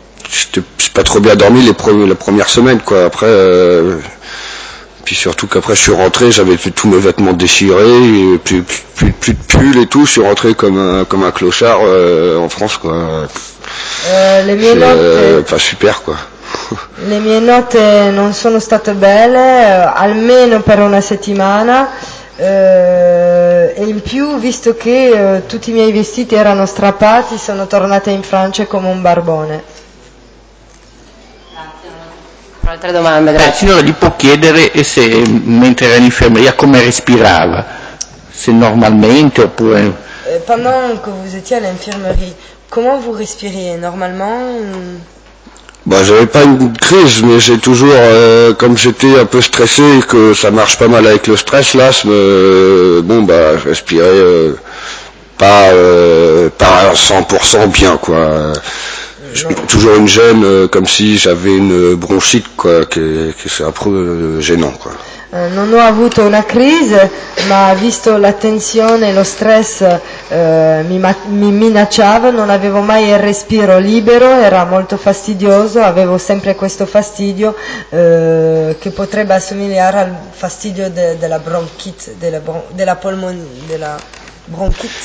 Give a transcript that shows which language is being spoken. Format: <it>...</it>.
<fr>J'ai pas trop bien dormi la première semaine, quoi. Après, puis surtout qu'après je suis rentré, j'avais tous mes vêtements déchirés, plus de pull et tout. Je suis rentré comme un clochard en France, quoi.</fr> <it>Les mie notte...</it> <fr>Pas super, quoi.</fr> <it>Le mie notte non sono state belle, almeno per una settimana. E in più, visto che tutti i miei vestiti erano strappati, sono tornata in Francia come un barbone. Grazie. Un'altra domanda, grazie. Signora, gli può chiedere se mentre era in infermeria come respirava? Se normalmente oppure...</it> <fr>Pendant que vous étiez à l'infirmerie, comment vous respiriez normalement? J'avais pas une crise, mais j'ai toujours, comme j'étais un peu stressé, que ça marche pas mal avec le stress, l'asthme, je respirais pas 100% bien, quoi. J'ai toujours une gêne, comme si j'avais une bronchite, quoi, qui c'est un peu gênant, quoi.</fr> <it>Non ho avuto una crisi, ma visto la tensione e lo stress mi minacciava, non avevo mai il respiro libero, era molto fastidioso, avevo sempre questo fastidio che potrebbe assomigliare al fastidio della bronchite, della polmonite, della bronchite.</it>